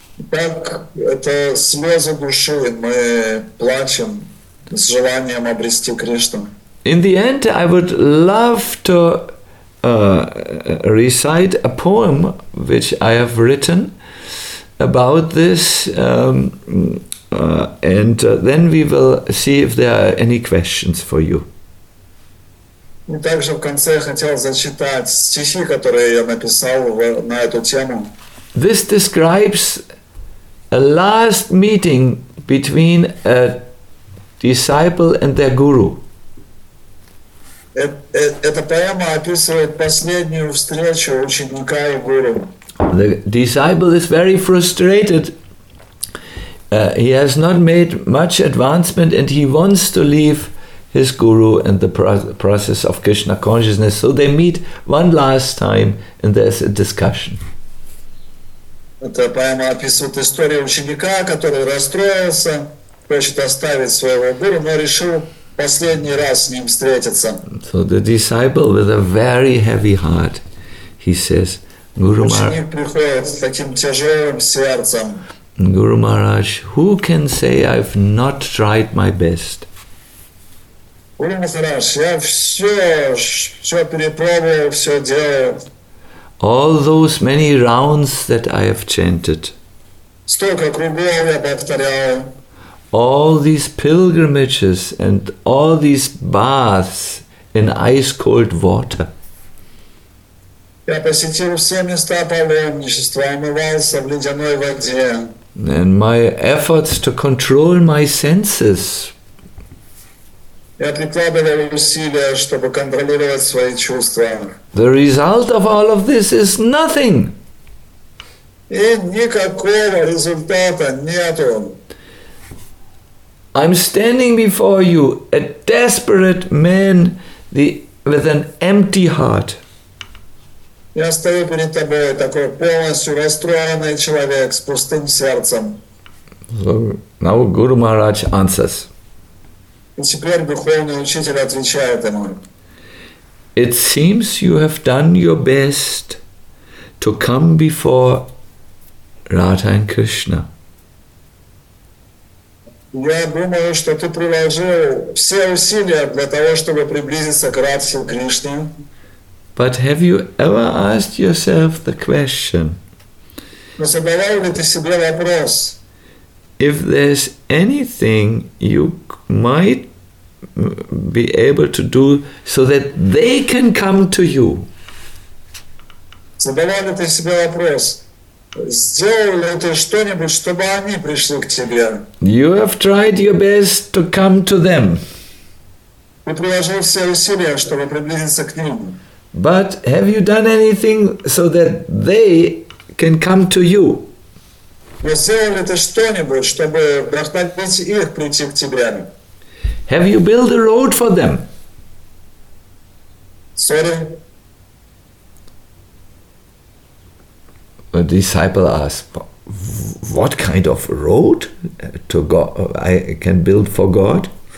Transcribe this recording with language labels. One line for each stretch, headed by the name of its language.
Russian: Так, это слезы души, мы плачем с желанием обрести Кришну.
English: In the end, I would love to recite a poem which I have written about this, and then we will see if there are any questions for you.
Russian: Также в конце хотел зачитать стихи, которые я написал на эту тему.
English: This describes a last meeting between a disciple and their guru.
Russian: Эта поэма описывает последнюю встречу ученика и гуру.
English: The disciple is very frustrated. He has not made much advancement and he wants to leave his guru and the process of Krishna consciousness. So they meet one last time and there's a discussion.
Russian: Эта поэма описывает историю ученика, который расстроился, хочет оставить своего гуру, но решил последний раз с ним встретиться.
English: So the disciple with a very heavy heart, he says, Guru Maharaj, Guru Maharaj, who can say I've not tried my best?
Russian: Guru Maharaj, я все перепробовал, все делал.
English: All those many rounds that I have chanted.
Russian: Столько кругов я повторял.
English: All these pilgrimages and all these baths in ice cold water.
Russian: Я посетил все места паломничества, омывался в ледяной воде.
English: And my efforts to control my senses.
Russian: Я прикладывал усилия, чтобы контролировать свои чувства.
English: The result of all of this is nothing.
Russian: И никакого результата нету.
English: I'm standing before you, a desperate man with an empty heart.
Russian: Я стою перед тобой, такой полностью расстроенный человек с пустым сердцем.
English: So now Guru Maharaj answers.
Russian: И теперь духовный учитель отвечает ему.
English: It seems you have done your best to come before Radha and Krishna.
Russian: Я думаю, что ты приложил все усилия для того, чтобы приблизиться к Радхе и Кришне.
English: But have you ever asked yourself the question?
Russian: Но задавал ли ты себе вопрос?
English: If there's anything you might be able to do so that they can come to you.
Russian: Задавал ли ты себе вопрос? Сделал ли ты что-нибудь, чтобы они пришли к тебе?
English: You have tried your best to come to them.
Russian: Ты приложил все усилия, чтобы приблизиться к ним.
English: But have you done anything so that they can come to you?
Russian: Сделал ли ты что-нибудь, чтобы вдохновить их прийти к тебе?
English: Have you built a road for them? Sorry. A disciple asks, what kind of road to God I can build for God?